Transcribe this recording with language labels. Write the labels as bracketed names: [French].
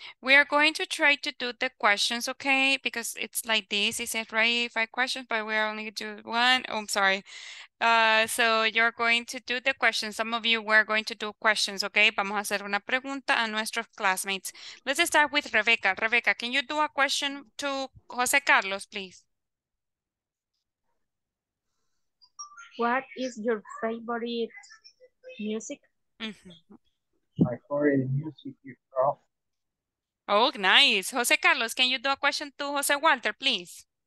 [English] We are going to try to do the questions, okay? Because it's like this, it says, right? Five questions, but we're only going to do one. Oh, I'm sorry. So you're going to do the questions. Some of you were going to do questions, okay? [Spanish] Vamos a hacer una pregunta a nuestros classmates. [English] Let's start with Rebecca. Rebecca, can you do a question to Jose Carlos, please? What is your favorite music? Mm-hmm. My favorite music is rock. Oh, nice. Jose Carlos, can you do a question to Jose Walter, please?